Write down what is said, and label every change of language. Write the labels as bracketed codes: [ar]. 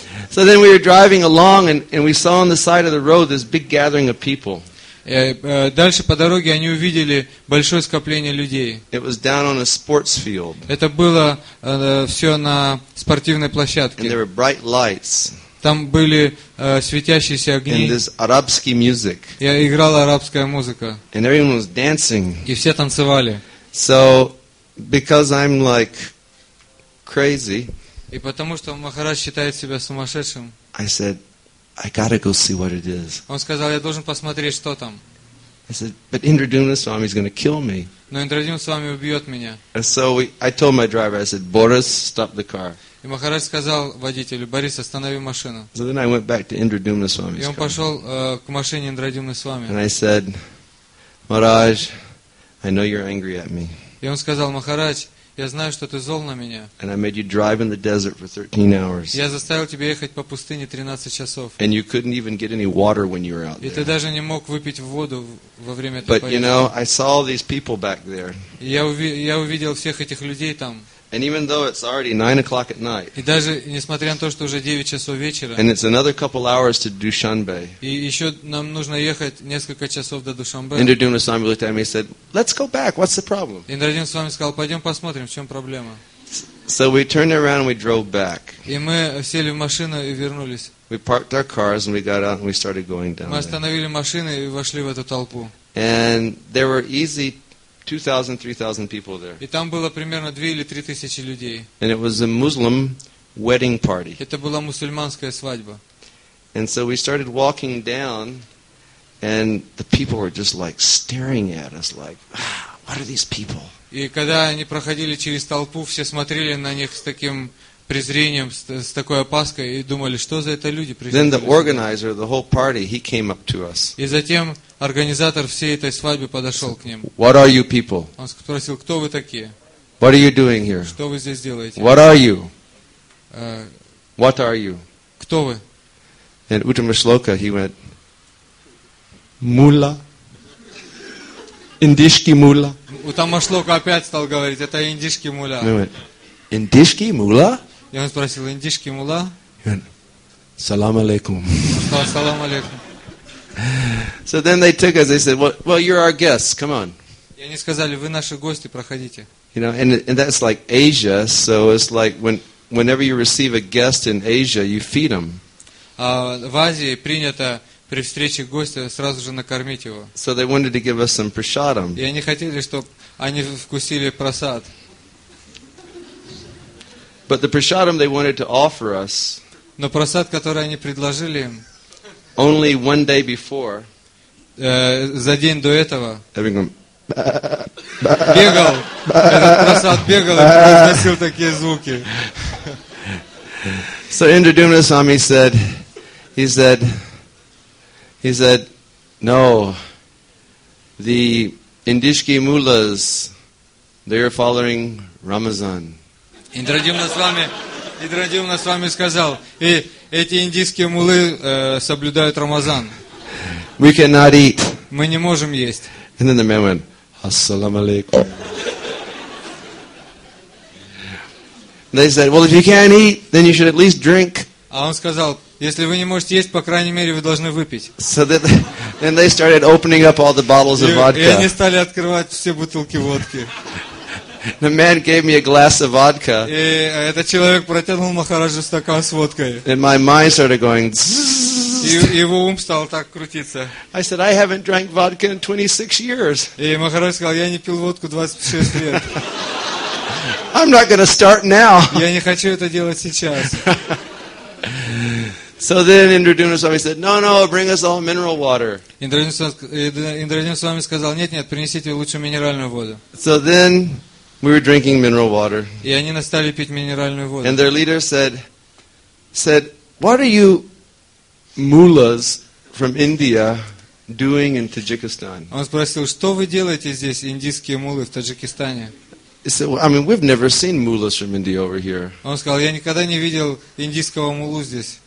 [en] So then we were driving along and we saw on the side of the road this big gathering of people. [ru] Дальше по дороге они увидели большое скопление людей. [en] It was down on a sports field. [ru] Это было все на спортивной площадке. [en] And there were bright lights. [ru] Там были светящиеся огни. [en] And this arabic music. [ru] И играла арабская музыка. [en] And everyone was dancing. [ru] И все танцевали. [en] So, because I'm like crazy, [ru] и потому что Махарадж считает себя сумасшедшим, [en] I said, "I gotta go see what it is." [ru] Он сказал: "Я должен посмотреть, что там." [en] I said, "But Indradumna Swami is gonna kill me." [ru] Но Индрадюмна Свами убьет меня. [en] And so I told my driver, I said, "Boris, stop the car." [ru] И Махарадж сказал водителю: "Борис, останови машину." [en] So then I went back to Indradumna Swami's car. [ru] И он пошел к машине Индрадюмны Свами. [en] And I said, "Maharaj, I know you're angry at me." [ru] И он сказал: "Махарадж, я знаю, что ты зол на меня." [en] And I made you drive in the desert for 13 hours. [ru] Я заставил тебя ехать по пустыне 13 часов. [en] And you couldn't even get any water when you were out there. [ru] И ты даже не мог выпить воду во время этой поездки. [en] But you know, I saw all these people back there. [ru] Я увидел всех этих людей там. [en] And even though it's already 9 o'clock at night. [ru] И даже несмотря на то, что уже 9 часов вечера. [en] And it's another couple hours to Dushanbe. [ru] И еще нам нужно ехать несколько часов до Душанбе. [en] Indradumna Swami looked at me and said, "Let's go back. What's the problem?" [ru] Индрадюмна Свами сказал: "Пойдем посмотрим, в чем проблема." [en] So we turned around and we drove back. [ru] И мы сели в машину и вернулись. [en] We parked our cars and we got out and we started going down. [ru] Мы остановили машины и вошли в эту толпу. [en] And there were easy 2,000, 3,000 people there. [ru] И там было примерно 2 или 3 тысячи людей. [en] And it was a Muslim wedding party. [ru] Это была мусульманская свадьба. [en] And so we started walking down, and the people were just like staring at us, like, "What are these people?" [ru] И когда они проходили через толпу, все смотрели на них с таким презрением, с такой опаской, и думали, что за это люди пришли. [en] Then the organizer, the whole party, he came up to us. [ru] И затем организатор всей этой свадьбы подошел к ним. [en] What are you people? [ru] Он спросил, кто вы такие? [en] What are you doing here? [ru] Что вы здесь делаете? [en] What are you? What are you? [ru] Кто вы? [en] And Uttamashloka, he went, Mula. [ru] Индишки мула. Утамашлока опять стал говорить, это индишки мула. Индишки мула? И он спросил, индишки мула? Салам алейкум. Салам алейкум. [en] So then they took us, they said, well, you're our guests, come on. [ru] И они сказали, вы наши гости, проходите. [en] You know, and that's like Asia, so it's like whenever you receive a guest in Asia, you feed them. [ru] В Азии принято при встрече гостя сразу же накормить его. [en] So they wanted to give us some prasadam. [ru] И они хотели, чтобы они вкусили прасад. [en] But the prasadam they wanted to offer us. [ru] Но прасад, который они предложили им. [en] Only one day before. [ru] За день до этого. [en] Having them. [ru] Бегал. Этот прасад бегал и произносил такие звуки. [en] So Indradumna Swami said. He said, no, the Indishki Mullahs, they are following Ramazan. [ru] Indradyumna Swami сказал, и эти индийские мулы соблюдают Рамазан. [en] We cannot eat. [ru] Мы не можем есть. [en] And then the man went, Assalamu alaikum. They said, well, if you can't eat, then you should at least drink. [ru] А он сказал, если вы не можете есть, по крайней мере, вы должны выпить. [en] So then they started opening up all the bottles of vodka. [ru] И они стали открывать все бутылки водки. [en] The man gave me a glass of vodka. [ru] И этот человек протянул Махараджу стакан с водкой. [en] And my mind started going. [ru] И его ум стал так крутиться. [en] I said, I haven't drank vodka in 26 years. [ru] И Махарадж сказал, я не пил водку 26 лет. [en] I'm not going to start now. [ru] Я не хочу это делать сейчас. [en] So then Indradyumna Swami said, no, bring us all mineral water. [ru] Indradyumna Swami сказал, нет, принесите лучше минеральную воду. [en] So then we were drinking mineral water. [ru] И они стали пить минеральную воду. [en] And their leader said, what are you mullahs from India doing in Tajikistan? [ru] Он спросил, что вы делаете здесь, индийские мулы, в Таджикистане? [en] He said, well, I mean, we've never seen mullahs from India over here. [ru] Он сказал, я никогда не видел индийского мулу здесь.